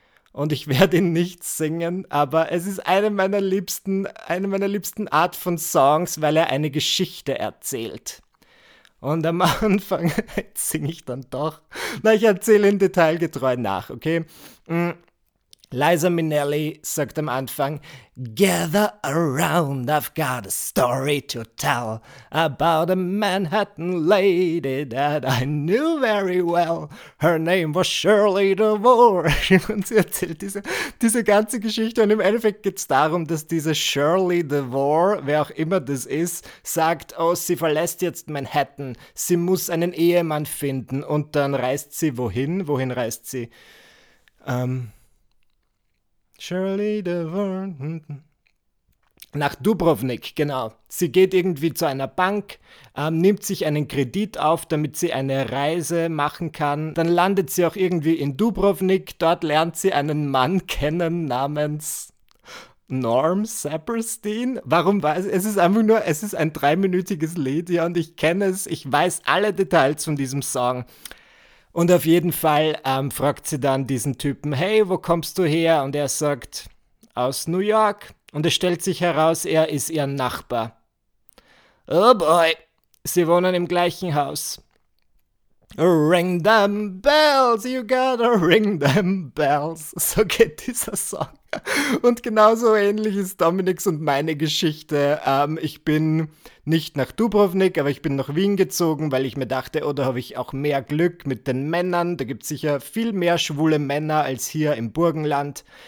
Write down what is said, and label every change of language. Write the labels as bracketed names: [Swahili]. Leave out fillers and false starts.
[German] Und ich werde ihn nicht singen, aber es ist eine meiner liebsten Art von Songs, weil er eine Geschichte erzählt. Und am Anfang singe ich dann doch. Na, ich erzähle ihn detailgetreu nach, okay? Liza Minnelli sagt am Anfang, [English] Gather around, I've got a story to tell about a Manhattan lady that I knew very well. Her name was Shirley DeVore. [German] Und sie erzählt diese ganze Geschichte und im Endeffekt geht es darum, dass diese Shirley DeVore, wer auch immer das ist, sagt, oh, sie verlässt jetzt Manhattan, sie muss einen Ehemann finden und dann reist sie wohin? Wohin reist sie? Shirley DeVore. Nach Dubrovnik, genau. Sie geht irgendwie zu einer Bank, nimmt sich einen Kredit auf, damit sie eine Reise machen kann. Dann landet sie auch irgendwie in Dubrovnik. Dort lernt sie einen Mann kennen namens Norm Saperstein. Warum weiß ich? Es ist einfach nur, es ist ein 3-minütiges Lied, ja, und ich kenne es. Ich weiß alle Details von diesem Song. Und auf jeden Fall fragt sie dann diesen Typen, hey, wo kommst du her? Und er sagt, aus New York. Und es stellt sich heraus, er ist ihr Nachbar. Oh boy, sie wohnen im gleichen Haus. [English] Ring them bells, you gotta ring them bells. [German] So geht dieser Song. Und genauso ähnlich ist Dominiks und meine Geschichte. Ich bin nicht nach Dubrovnik, aber ich bin nach Wien gezogen, weil ich mir dachte, oh, da habe ich auch mehr Glück mit den Männern. Da gibt es sicher viel mehr schwule Männer als hier im Burgenland.